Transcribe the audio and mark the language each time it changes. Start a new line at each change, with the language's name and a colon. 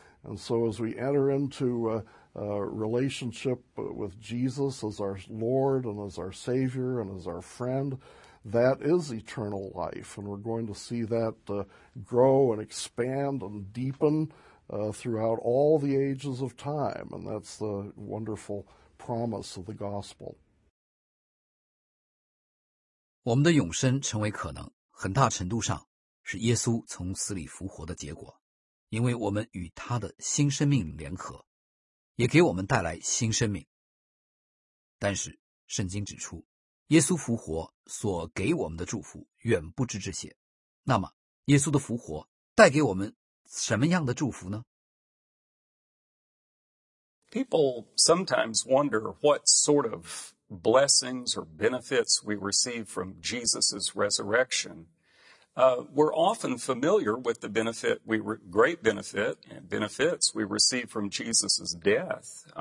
English: And so as we enter into a relationship with Jesus as our Lord and as our Savior and as our friend, that is eternal life. And we're going to see that grow and expand and deepen throughout all the ages of time. And that's the wonderful promise of the gospel.
Chinese: 我们的永生成为可能，很大程度上是耶稣从死里复活的结果，因为我们与他的新生命联合，也给我们带来新生命。但是圣经指出，耶稣复活所给我们的祝福远不止这些。那么耶稣的复活带给我们什么样的祝福呢？
English: People sometimes wonder what sort of blessings or benefits we receive from Jesus's resurrection. We're often familiar with the benefits we receive from Jesus' death.